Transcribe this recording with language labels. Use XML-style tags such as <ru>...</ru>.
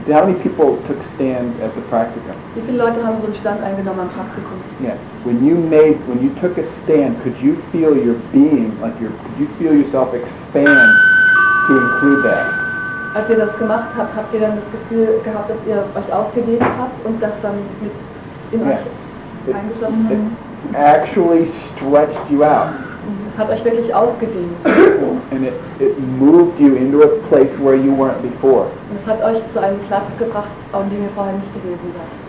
<en>How many people took stands at the practicum?</en> <de>Wie viele Leute haben so einen Stand eingenommen am Praktikum?</de> <en>Yeah. When you took a stand, could you feel your being, like your, could you feel yourself expand to include that?</en> <de>Als ihr das gemacht habt, habt ihr dann das Gefühl gehabt, dass ihr euch ausgedehnt habt und das dann mit in euch eingeschlossen habt?</de> <en>It actually stretched you out.</en> <de>Es hat euch wirklich ausgedehnt.</de> <en>And it moved you into a place where you weren't before.</en> <de>Und es hat euch zu einem Platz gebracht, an dem ihr vorher nicht gewesen seid.</de>